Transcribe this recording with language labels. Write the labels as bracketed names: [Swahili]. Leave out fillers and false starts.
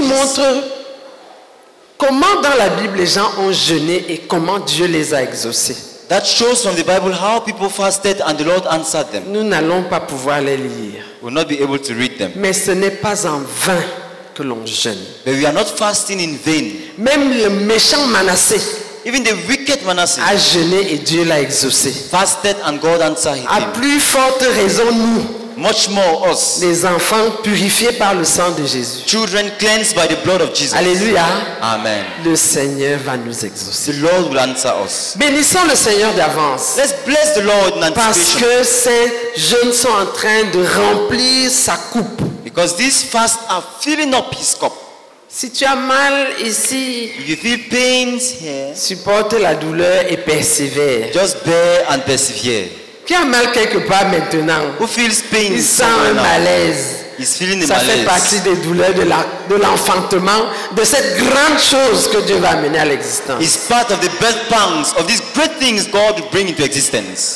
[French] Qui montrent comment dans la Bible les gens ont jeûné et comment Dieu les a exaucés. [English] That shows from the Bible how people fasted and the Lord answered them. [French] Nous n'allons pas pouvoir les lire. [English] We'll not be able to read them. [French] Mais ce n'est pas en vain que l'on jeûne. [English] But we are not fasting in vain. [French] Même le méchant Manassé. [English] Even the wicked Manasseh [French] a jeûné et Dieu l'a exaucé. [English] Fasted and God answered him. [French] À plus forte raison nous. [English] Much more us. [French] Les enfants purifiés par le sang de Jésus. [English] Children cleansed by the blood of Jesus. [French] Alléluia. Amen. Le Seigneur va nous exaucer. [English] The Lord will answer us. [French] Bénissons le Seigneur d'avance. [English] Let's bless the Lord in anticipation. [French] Parce que ces jeunes sont en train de remplir sa coupe. [English] Because these fasts are filling up his cup. [French] Si tu as mal ici, [English] if you feel pains here, [French] supporte la douleur et persévère. [English] Just bear and persevere. [French] Qui a mal quelque part maintenant? [English] Who feels pain? [French] Il sent un malaise. [English] He's feeling the [French] ça malaise. Fait partie des douleurs de, la, de l'enfantement, de cette grande chose que Dieu va amener à l'existence. [English] It's part of the birth pangs of these great things God will bring into existence.